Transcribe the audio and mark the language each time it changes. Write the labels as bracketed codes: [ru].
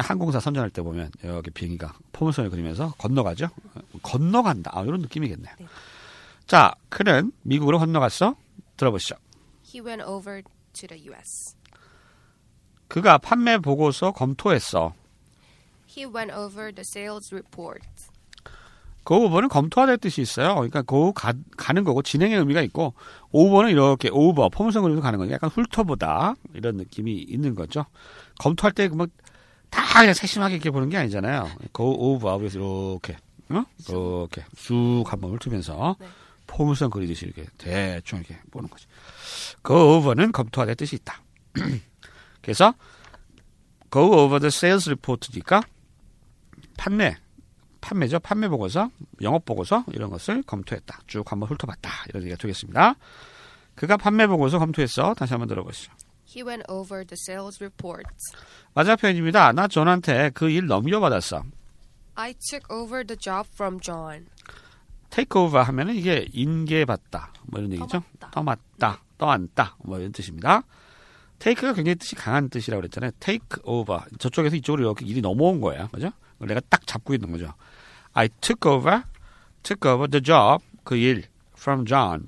[ko] 항공사 선전할 때 보면 여기 비행기가 포물선을 그리면서 건너가죠. 건너간다. 아, 이런 느낌이겠네. 네. 자, 그는 미국으로 건너갔어. 들어보시죠. [en] He went over to the U.S. [ko] 그가 판매 보고서 검토했어. [en] He went over the sales report. [ko] Go over는 검토하다의 뜻이 있어요. 그러니까 go 가는 거고 진행의 의미가 있고 over는 이렇게 over, 포물선 그리고 가는 거니까 약간 훑어보다 이런 느낌이 있는 거죠. 검토할 때 막 다 그냥 세심하게 이렇게 보는 게 아니잖아요. Go over, 그래서 이렇게. 어? 이렇게 쑥 한번 훑으면서 네. 포물선 그리듯이 이렇게 대충 이렇게 보는 거지. Go over는 검토하다의 뜻이 있다. 그래서 [en] go over the sales report [ko] 니까 판매죠. 판매 보고서, 영업 보고서 이런 것을 검토했다. 쭉 한번 훑어봤다. 이런 얘기가 되겠습니다. 그가 판매 보고서 검토했어. 다시 한번 들어보시죠. He went over the sales report. 마지막 표현입니다. 나 존한테 그 일 넘겨받았어. [en] I took over the job from John. [ko] Take over 하면 이게 인계받다. 뭐 이런 얘기죠? 떠맡다. 네. 떠안다. 뭐 이런 뜻입니다. Take가 굉장히 뜻이 강한 뜻이라고 그랬잖아요. [en] Take over. [ko] 저쪽에서 이쪽으로 이렇게 일이 넘어온 거야. 그죠? 내가 딱 잡고 있는 거죠. [en] I took over the job. [ko] 그 일. [en] From John.